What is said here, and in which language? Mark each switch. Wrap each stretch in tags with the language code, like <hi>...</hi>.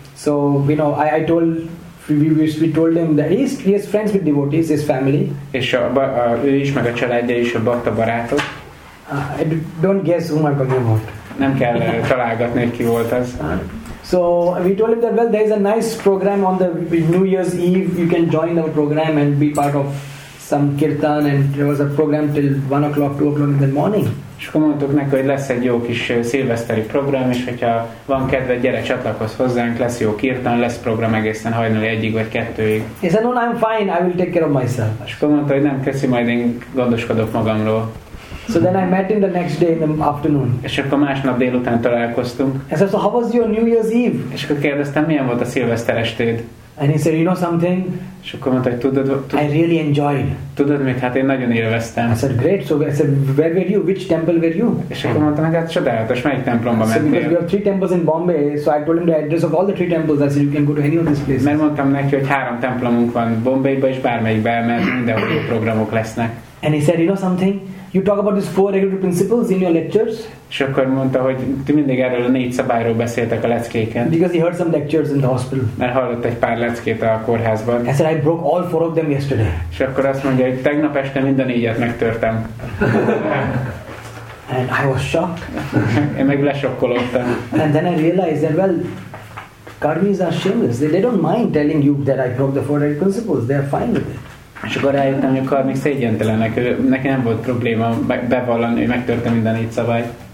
<en>So you know, I told we told him that he is friends with devotees, his family.</en> <hu>És ő is meg a családja is a bakta barátok.</hu> <en>Don't guess who I'm talking about.</en> <hu>Nem kell találgatni, ki volt az.</hu> <en>So we told him that well, there is a nice program on the New Year's Eve. You can join our program and be part of some kirtan. And there was a program till 1 o'clock, 2 o'clock in the morning.</en> <hu>És akkor mondtuk neki, hogy lesz egy jó kis szilveszteri program, és hogyha van kedve, gyere csatlakozz hozzánk, lesz jó kirtan, lesz program egészen hajnali egyig vagy kettőig.</hu> <en>He said, no, I'm fine. I will take care of myself.</en> <hu>És akkor mondta, hogy nem, köszi, majd én gondoskodok magamról.</hu> <en>So then I met him the next day in the afternoon.</en> <hu>És akkor másnap délután találkoztunk.</hu> <en>I said, so how was your New Year's Eve?</en> <hu>És akkor kérdeztem, milyen volt a szilveszter estéd?</hu> <en>And he said, you know something?</en> <hu>És akkor mondta, hogy tudod,</hu> <en>I really enjoyed.</en> <hu>Tudod mit? Hát én nagyon élveztem.</hu> <en>I said, great. So I said, where were you? Which temple were you?</en> <hu>És akkor mondta, hát csodálatos, melyik templomba mentél?</hu> <en>So because we have three temples in Bombay, so I told him the address of all the three temples. I said, you can go to any of these places.</en> <hu>Mert mondtam neki, hogy három templomunk van Bombayba, és bármelyikbe elmehet, mindenhol jó programok lesznek.</hu> <en>And he said, you know something? You talk about these four regulatory principles in your lectures.</en> <hu>És akkor mondta, hogy ti mindig erről a négy szabályról beszéltek a leckéken.</hu> <en>Because he heard some lectures in the hospital.</en> <hu>Mert hallott egy pár leckét a kórházban.</hu> <en>I said, I broke all four of them yesterday.</en> <hu>És akkor azt mondja, hogy tegnap este mind a négyet megtörtem.</hu> <en>And I was shocked.</en> <hu>Én meg lesokkolódtam.</hu> <en>And then I realized that, well, karmis are shameless. They don't mind telling you that I broke the four regulatory principles. They are fine with it.</en> <hu>És akkor rájöttem, hogy a karmik szégyentelenek. Neki nem volt probléma bevallani, hogy megtörtem minden négy szabály.</hu>